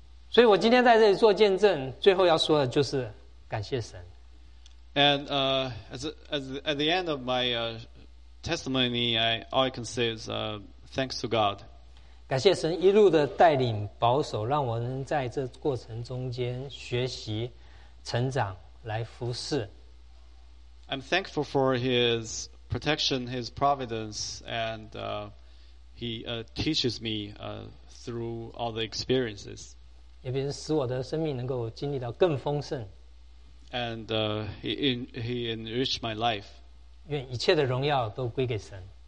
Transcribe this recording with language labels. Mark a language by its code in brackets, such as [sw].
[zh] 所以我今天在这里做见证，最后要说的就是感谢神。 [en] And at the end of my testimony, all I can say is thanks to God. [zh] 感谢神一路的带领保守，让我能在这过程中间学习、成长，来服侍。 [en] I'm thankful for His protection, His providence, and He teaches me through all the experiences. [zh] 也便是使我的生命能够经历到更丰盛。 [en] And he enriched my life. [zh] 愿一切的荣耀都归给神。